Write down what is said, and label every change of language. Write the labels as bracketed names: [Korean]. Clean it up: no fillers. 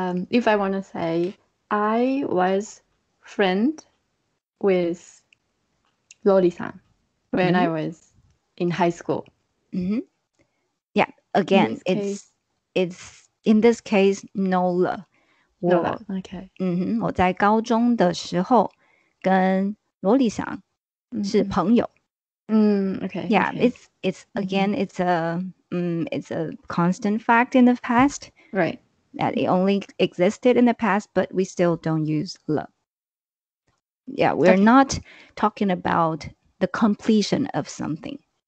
[English] If I want to say I was friend with Lori-san when I was in high school. Mm-hmm. Yeah, again, it's in this case, no le. Okay. [Chinese] 我在高中的时候跟罗里桑是朋友. [English] Okay. Yeah. Okay. It's again. It's a it's a constant fact in the past. Right. That it only existed in the past, but we still don't use le. Yeah, we're not talking about the completion of something.